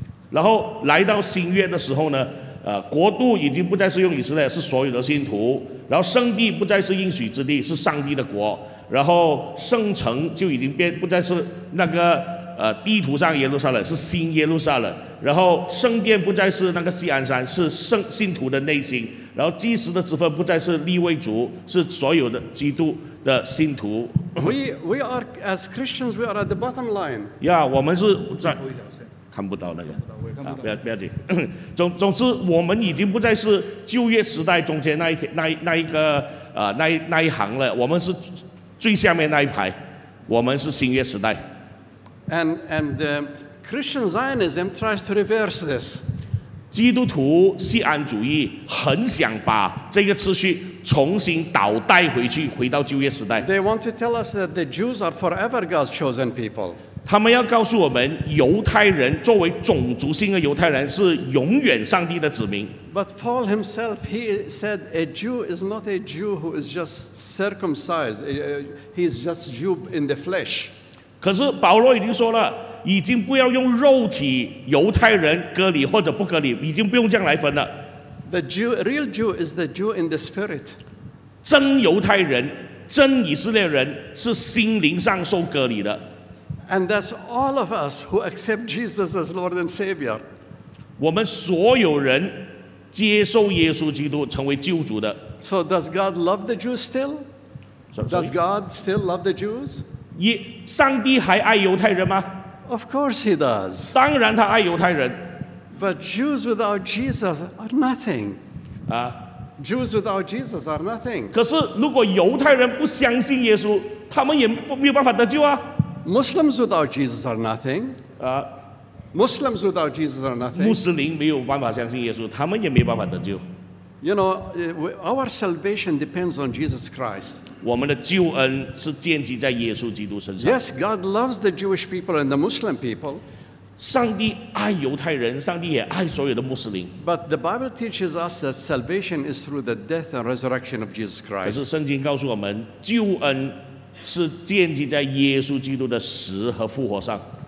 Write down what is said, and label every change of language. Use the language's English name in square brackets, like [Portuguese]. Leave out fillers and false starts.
[Chinese] 然后来到新约的时候呢，国度已经不再是用以色列，是所有的信徒。然后圣地不再是应许之地，是上帝的国。然后圣城就已经变不再是那个地图上耶路撒冷是新耶路撒冷，然后圣殿不再是那个锡安山，是圣信徒的内心，然后祭司的职分不再是利未族，是所有的基督的信徒。 [English] We are as Christians, we are at the bottom line. [Chinese] Yeah, 我们是在看不到那个，啊，不要紧。总之，我们已经不再是旧约时代中间那一行了，我们是最下面那一排，我们是新约时代。 [English] And Christian Zionism tries to reverse this. [Chinese] 基督徒锡安主义很想把这个秩序重新倒带回去，回到旧约时代。 [English] They want to tell us that the Jews are forever God's chosen people. [Chinese] 他们要告诉我们，犹太人作为种族性的犹太人是永远上帝的子民。 [English] But Paul himself, he said, a Jew is not a Jew who is just circumcised. He is just Jew in the flesh. [Chinese] 可是保罗已经说了。已经不要用肉体犹太人割礼或者不割礼，已经不用这样来分了。 [English] The Jew, real Jew is the Jew in the spirit. [Chinese] 真犹太人，真以色列人是心灵上受割礼的。 [English] And that's all of us who accept Jesus as Lord and Savior. [Chinese] 我们所有人接受耶稣基督成为救主的。 [English] So does God love the Jews still? Does God still love the Jews? [Chinese] 上帝还爱犹太人吗？ [English] Of course he does. [Chinese] 当然他爱犹太人。 [English] But Jews without Jesus are nothing. Jews without Jesus are nothing. [Chinese] 可是如果犹太人不相信耶稣，他们也没有办法得救啊。 [English] Muslims without Jesus are nothing. Muslims without Jesus are nothing. [Chinese] 穆斯林没有办法相信耶稣，他们也没有办法得救。 [English] You know, our salvation depends on Jesus Christ. [Chinese] 我们的救恩是建基在耶稣基督身上。 [English] Yes, God loves the Jewish people and the Muslim people. [Chinese] 上帝爱犹太人，上帝也爱所有的穆斯林。 [English] But the Bible teaches us that salvation is through the death and resurrection of Jesus Christ. [Chinese] 可是圣经告诉我们，救恩是建基在耶稣基督的死和复活上。